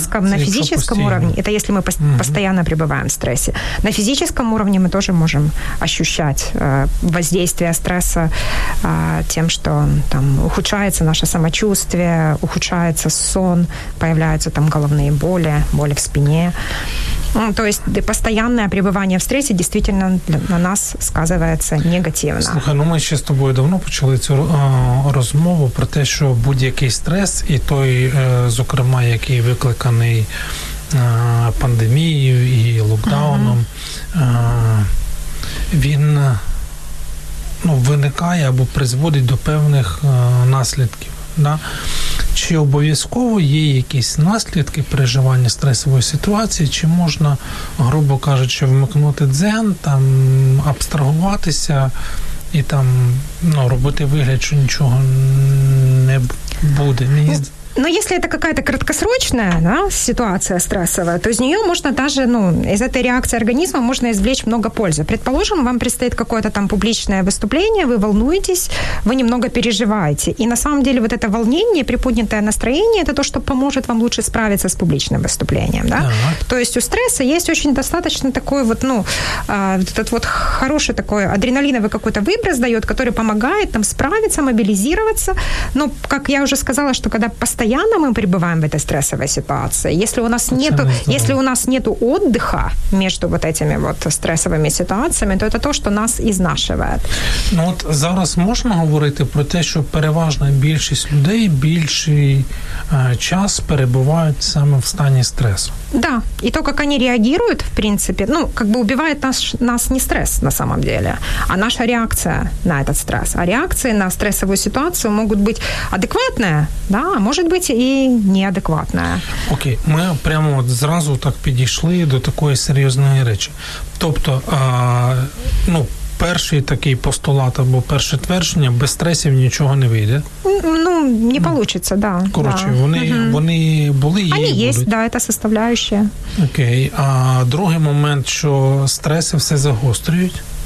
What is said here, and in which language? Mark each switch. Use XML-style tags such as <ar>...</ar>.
<ru>На физическом уровне, это если мы постоянно пребываем в стрессе, на физическом уровне мы тоже можем ощущать воздействие стресса тем, что там ухудшается наше самочувствие, ухудшается сон, появляются там головные боли, боли в спине. Ну, то есть постоянное пребывание в стрессе действительно на нас сказывается негативно.</ru> <uk>Слушай, ну мы еще с тобой давно почали эту розмову про то, что будь-який стресс, и той, зокрема, який викликаний пандемією і локдауном, він, ну, виникає або призводить до певних наслідків. Да? Чи обов'язково є якісь наслідки переживання стресової ситуації, чи можна, грубо кажучи, вмикнути дзен, там, абстрагуватися і там, ну, робити вигляд, що нічого не буде.</uk> <ru>Но если это какая-то краткосрочная, да, ситуация стрессовая, то из нее можно даже, ну, из этой реакции организма можно извлечь много пользы. Предположим, вам предстоит какое-то там публичное выступление, вы волнуетесь, вы немного переживаете. И на самом деле вот это волнение, приподнятое настроение, это то, что поможет вам лучше справиться с публичным выступлением. Да? Ага. То есть у стресса есть очень достаточно такой вот, ну, этот вот хороший такой адреналиновый какой-то выброс дает, который помогает там справиться, мобилизироваться. Но, как я уже сказала, что когда постоянно мы пребываем в этой стрессовой ситуации. Если у нас нету отдыха между вот этими вот стрессовыми ситуациями, то это то, что нас изнашивает.</ru> <uk>Ну от зараз можна говорити про те, що переважна більшість людей більший час перебувають саме в стані стресу.</uk> <ru>Да, и то, как они реагируют, в принципе, ну, как бы убивает нас не стресс на самом деле, а наша реакция на этот стресс. А реакции на стрессовую ситуацию могут быть адекватные, да, а может быть и неадекватные. Окей, мы прямо вот сразу так подошли до такой серьезной речи.</ru> <uk>Тобто, ну, перший такий постулат або перше твердження – без стресів нічого не вийде.</uk> <ru>Ну, не получиться, да.</ru> <uk>Коротше,</uk> <ru>да.</ru> <uk>Вони були, є. Вони є, да, це составляюча. Окей. А другий момент, що стреси все загострюють?</uk>